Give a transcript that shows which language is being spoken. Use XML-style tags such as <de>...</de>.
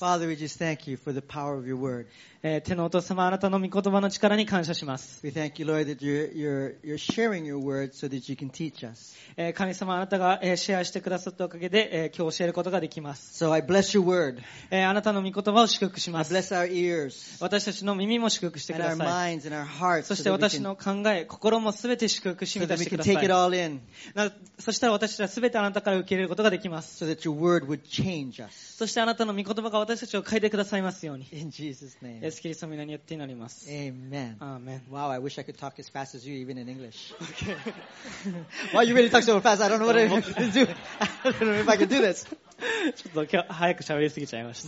<en>Father, we just thank you for the power of your word.</en> <ja>天のお父様、あなたの御言葉の力に感謝します。</ja> <en>We thank you, Lord, that you're sharing your word so that you can teach us.</en> <ja>神様、あなたがシェアしてくださったおかげで今日教えることができます。</ja> <en>So I bless your word.</en> <ja>あなたの御言葉を祝福します。</ja> <en>I bless our ears.</en> <ja>私たちの耳も祝福してください。</ja> <en>And our minds and our hearts.</en> <ja>そして私の考え、心もすべて祝福し満たしてください。</ja> <en>So that we can take it all in.</en> <ja>そしたら私たちはすべてあなたから受け入れることができます。</ja> <en>So that your word would change us.</en> <ja>そしてあなたの御言葉が私たちを変えてくださいますように。</ja> <en>In Jesus' name.</en> <ja>イエス・キリストの名によって祈ります。</ja> <en>Amen. Amen. Wow, I wish I could talk as fast as you, even in English. Okay. Why you really talk so fast? I don't know what I can do. I don't know if I can do this.</en> <ja>ちょっと今日早く喋りすぎちゃいました。</ja>